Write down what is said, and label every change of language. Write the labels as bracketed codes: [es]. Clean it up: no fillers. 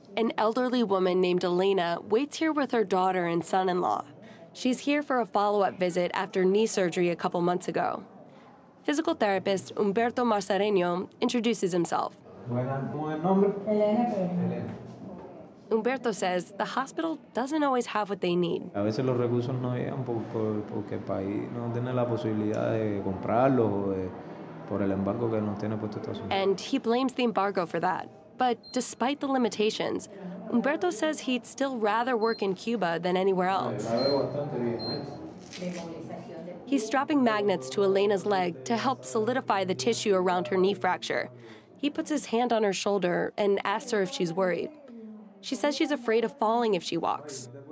[en] An elderly woman named Elena waits here with her daughter and son-in-law. She's here for a follow-up visit after knee surgery a couple months ago. Physical therapist Humberto Marcareño introduces himself. Humberto says the hospital doesn't always have what they need. [es] A veces los recursos no llegan porque el país no tiene la posibilidad de comprarlos o de, por el embargo que nos tiene puesto Estados Unidos. [en] And he blames the embargo for that. But despite the limitations, Humberto says he'd still rather work in Cuba than anywhere else. He's strapping magnets to Elena's leg to help solidify the tissue around her knee fracture. He puts his hand on her shoulder and asks her if she's worried. She says she's afraid of falling if she walks.